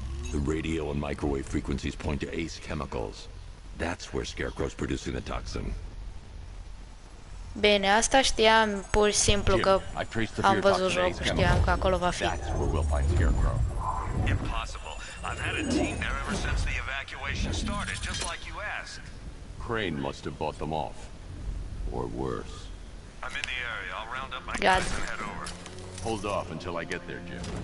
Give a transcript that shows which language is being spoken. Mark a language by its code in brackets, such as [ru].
[en] The radio and microwave frequencies point to Ace Chemicals. That's where Scarecrow's producing the toxin. [ro] Bine, asta știam pur și simplu că am văzut jocul, știam că acolo va fi. [en] That's where we'll find Scarecrow. Impossible. I've had a team there ever since the evacuation started, just like you asked. Crane must have bought them off. Or worse. I'm in the area. I'll round up my guys and head over. Hold off until I get there, Jim.